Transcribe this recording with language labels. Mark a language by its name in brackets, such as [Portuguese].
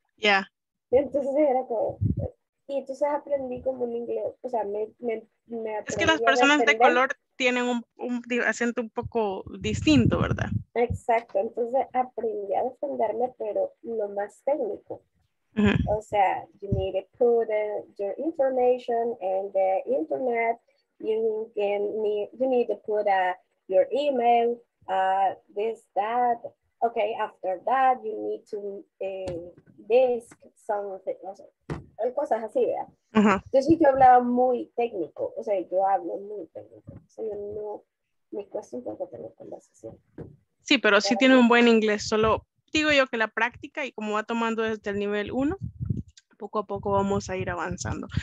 [Spanish] Yeah. Entonces era como... Y entonces aprendí como un inglés, o sea, me aprendí. Es que las personas de color tienen un acento un poco distinto, ¿verdad? Exacto, entonces aprendí a defenderme, pero lo más técnico. [English] Uh-huh. [Spanish] O sea, [English] you need to put your information in the internet, you need to put your email, okay, after that, you need to disk something, [Spanish] no sé. Cosas así, ¿verdad? Uh-huh. Yo sí que hablaba muy técnico, o sea, yo hablo muy técnico, o sea, no me cuesta un poco tener conversación. Sí, pero sí tiene un buen inglés, solo digo yo que la práctica y como va tomando desde el nivel 1, poco a poco vamos a ir avanzando.